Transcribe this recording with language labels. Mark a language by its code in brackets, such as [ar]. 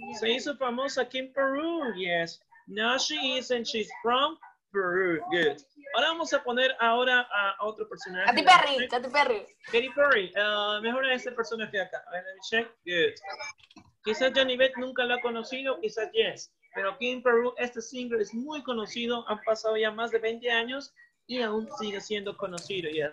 [es] Se hizo famosa aquí en Peru, yes. [en] No, she isn't, she's from Peru, good. [es] Ahora vamos a poner ahora a otro personaje. Katy Perry, Katy Perry. Katy Perry, mejor a este personaje acá. A ver, [en] let me check, good. [es] Quizás Johnny Beck nunca lo ha conocido, quizás yes. Pero aquí en Peru este single es muy conocido, han pasado ya más de 20 años y aún sigue siendo conocido, yes.